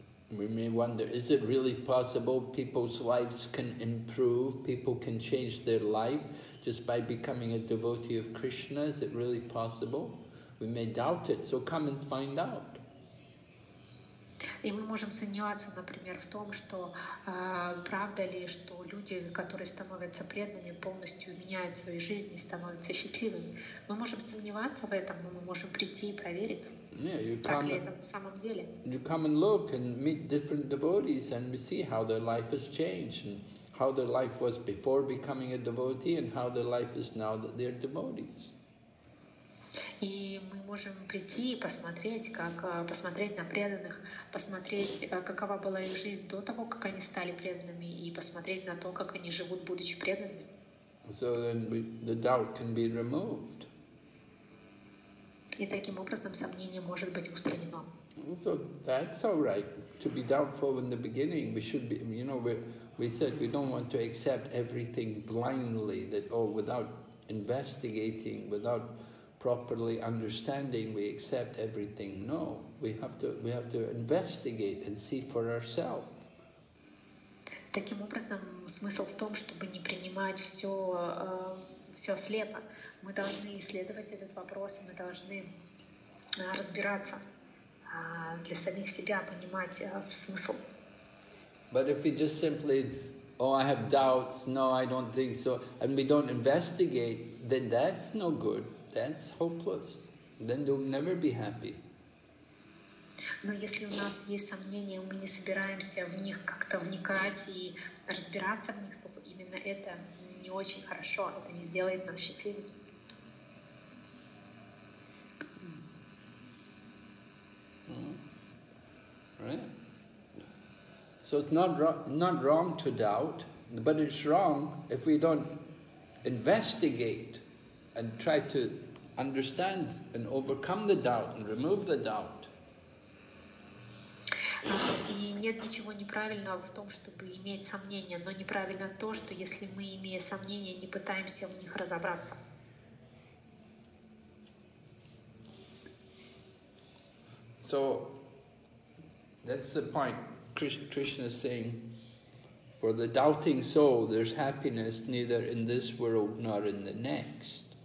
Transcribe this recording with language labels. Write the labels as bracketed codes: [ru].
[en] We may wonder, is it really possible people's lives can improve, people can change their life just by becoming a devotee of Krishna? Is it really possible? We may doubt it, so come and find out. [ru] И мы можем сомневаться, например, в том, что правда ли, что люди, которые становятся преданными, полностью меняют свои жизни и становятся счастливыми. Мы можем сомневаться в этом, но мы можем прийти и проверить, так ли это на самом деле. [en] You come and look and meet different devotees and we see how their life has changed and how their life was before becoming a devotee and how their life is now that they're devotees. [ru] И мы можем прийти и посмотреть, как посмотреть на преданных, посмотреть, какова была их жизнь до того, как они стали преданными, и посмотреть на то, как они живут, будучи преданными. [en] So then the doubt can be removed. [ru] И таким образом сомнение может быть устранено. [en] So that's all right to be doubtful in the beginning. We should be, you know, we said we don't want to accept everything blindly. That without investigating, without properly understanding, we accept everything. No, we have to investigate and see for ourselves. [ru] Таким образом, смысл в том, чтобы не принимать все слепо. Мы должны исследовать этот вопрос, мы должны разбираться для самих себя, понимать смысл. [en] But if we just simply, I have doubts. No, I don't think so. And we don't investigate, then that's no good. That's hopeless. Then they'll never be happy. [ru] Но если у нас есть сомнения, мы не собираемся в них как-то вникать и разбираться в них, то именно это не очень хорошо. Это не сделает нас счастливыми. [en] Right. So it's not wrong to doubt, but it's wrong if we don't investigate and try to understand and overcome the doubt and remove the doubt. [ru] И нет ничего неправильного в том, чтобы иметь сомнения, но неправильно то, что если мы, имея сомнения, не пытаемся в них разобраться. [en] So that's the point Krishna is saying, for the doubting soul there's happiness neither in this world nor in the next.